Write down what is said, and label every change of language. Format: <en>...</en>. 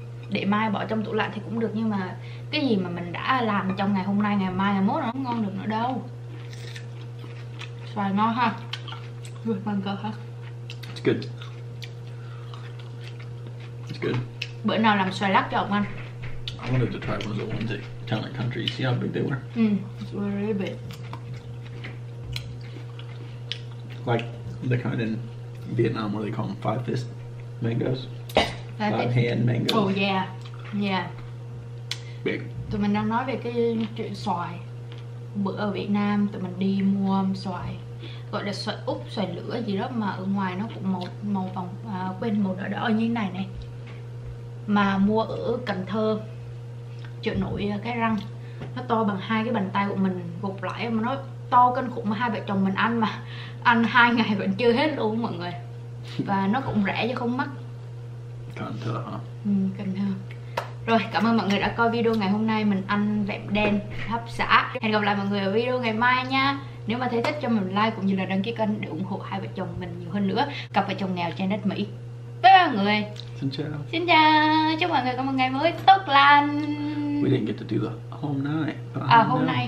<vi>Để mai bỏ trong tủ lạnh thì cũng được, nhưng mà cái gì mà mình đã làm trong ngày hôm nay, ngày mai, ngày mốt nó không ngon được nữa đâu. Xoài ngon ha. Good, mình cơ ha.</vi> <en>It's good.</en> <vi>Bữa nào làm xoài lắc cho ông ăn.</vi> <en>I wanted to try one of the ones at Town and Country. See how big they were? It's very big. Like the kind in Vietnam where they call them five fist mangoes. Five hand mangoes. Oh yeah. Yeah. Big.</en> <vi>Tụi mình đang nói về cái chuyện xoài. Bữa ở Việt Nam tụi mình đi mua xoài. Gọi là xoài Úc, xoài lửa gì đó mà ở ngoài nó cũng màu vòng quên màu đỏ đỏ như thế này này. Mà mua ở Cần Thơ. Chợ nổi cái răng. Nó to bằng hai cái bàn tay của mình gộp lại mà nó to kinh khủng mà hai vợ chồng mình ăn mà. Ăn hai ngày vẫn chưa hết luôn mọi người. Và nó cũng rẻ chứ không mắc. Cần Thơ hả? Ừ, Cần Thơ. Rồi, cảm ơn mọi người đã coi video ngày hôm nay. Mình ăn vẹm đen hấp xả. Hẹn gặp lại mọi người ở video ngày mai nha. Nếu mà thấy thích cho mình like cũng như là đăng ký kênh để ủng hộ hai vợ chồng mình nhiều hơn nữa. Cặp vợ chồng nghèo trên đất Mỹ. Bye bye mọi người. Xin chào. Xin chào. Chúc mọi người có một ngày mới tốt lành.</vi> <en>We didn't get to do the</en> <vi>hôm nay.</vi>